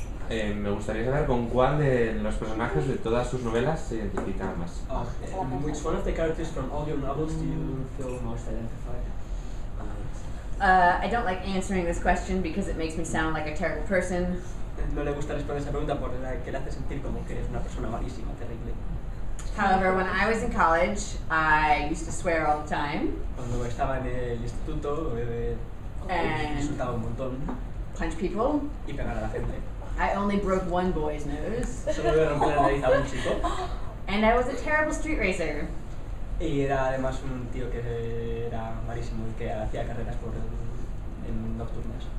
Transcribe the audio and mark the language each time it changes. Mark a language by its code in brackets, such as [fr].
[es] Me gustaría saber con cuál de los personajes de todas sus novelas se identifica más. [en] Which one of the characters from all your novels do you feel most identified? I don't like answering this question because it makes me sound like a terrible person. [es] No le gusta responder esa pregunta porque le hace sentir como que eres una persona malísima, terrible. [en] However, when I was in college, I used to swear all the time. [es] Cuando estaba en el instituto, insultaba un montón. [en] Punch people. [es] Y pegar a la gente. [en] I only broke one boy's nose. [es] Solo le rompí la nariz a un chico. [en] And I was a terrible street racer. [es] Y era además un tío que era malísimo y que hacía carreras por en nocturnas.